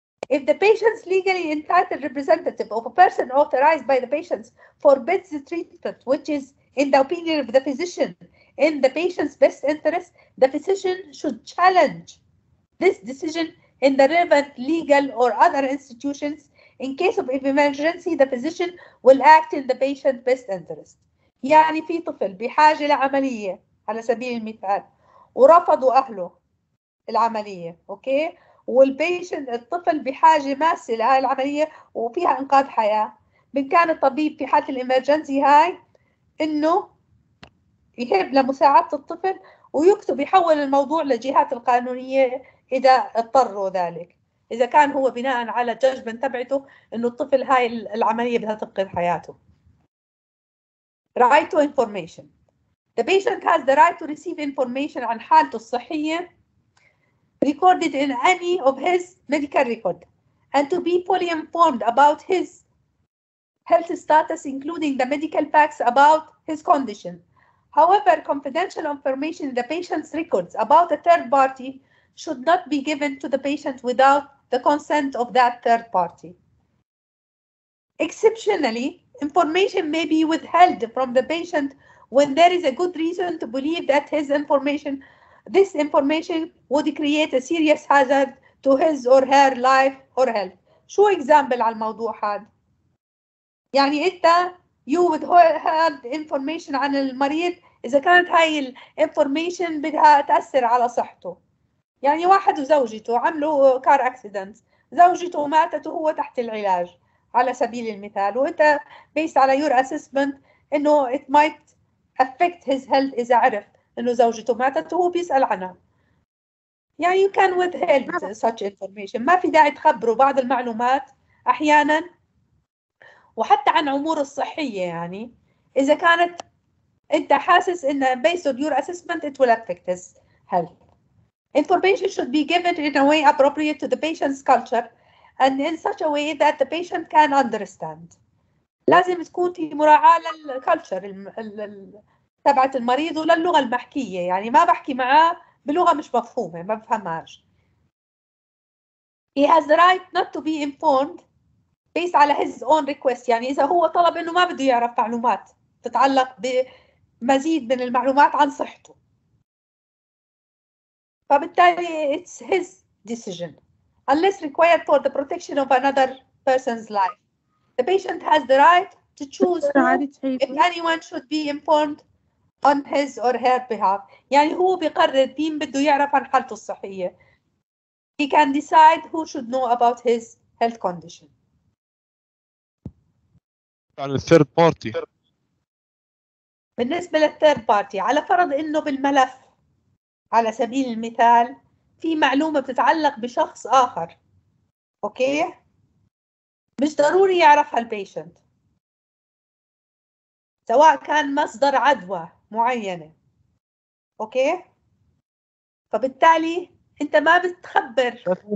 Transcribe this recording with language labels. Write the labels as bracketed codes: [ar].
[en] If the patient's legally entitled representative of a person authorized by the patients forbids the treatment which is in the opinion of the physician. In the patient's best interest, the physician should challenge this decision in the relevant legal or other institutions. In case of emergency, the physician will act in the patient's best interest. [ar] يعني في طفل بحاجة لعملية على سبيل المثال ورفضوا أهله العملية، أوكي؟ والبيشن الطفل بحاجة ماسة لهذه العملية وفيها إنقاذ حياة، بإمكان الطبيب في حالة الإمرجنسي هاي إنه يهب لمساعدة الطفل ويكتب يحول الموضوع للجهات القانونية إذا اضطروا ذلك، إذا كان هو بناء على جاجبن تبعته إنه الطفل هاي العملية بدها تفقد حياته. [en] Right to information. The patient has the right to receive information [ar] عن حالته الصحية [en] recorded in any of his medical record and to be fully informed about his health status including the medical facts about his condition. However, confidential information in the patient's records about a third party should not be given to the patient without the consent of that third party. Exceptionally, information may be withheld from the patient when there is a good reason to believe that his information, this information would create a serious hazard to his or her life or health. [ar] شو example على الموضوع هذا؟ يعني انت [en] you withheld information [ar] عن المريض اذا كانت هاي information بدها تأثر على صحته. يعني واحد وزوجته عملوا [en] car accident، [ar] زوجته ماتت وهو تحت العلاج على سبيل المثال، وانت based على [en] your assessment [ar] انه [en] it might affect his health [ar] اذا عرف انه زوجته ماتت وهو بيسأل عنها. يعني [en] you can withheld such information، [ar] ما في داعي تخبره بعض المعلومات احيانا وحتى عن اموره الصحية. يعني اذا كانت انت حاسس انه [en] based on your assessment it will affect his health. Information should be given in a way appropriate to the patient's culture and in such a way that the patient can understand. [ar] لازم تكون في مراعاة للكلتشر تبعت المريض وللغة المحكية. يعني ما بحكي معاه بلغة مش مفهومة ما بفهمهاش. [en] He has the right not to be informed based [ar] على [en] his own request. [ar] يعني إذا هو طلب إنه ما بده يعرف معلومات تتعلق بمزيد من المعلومات عن صحته، فبالتالي [en] it's his decision unless required for the protection of another person's life. The patient has the right to choose if anyone should be informed on his or her behalf. [ar] يعني هو بيقرر مين بده يعرف عن حالته الصحية. [en] He can decide who should know about his health condition. [ar] على [en] third party. [ar] بالنسبة للthird party، على فرض إنه بالملف على سبيل المثال في معلومة بتتعلق بشخص آخر، أوكي؟ مش ضروري يعرفها البيشنت، سواء كان مصدر عدوى معينة، أوكي؟ فبالتالي أنت ما بتخبر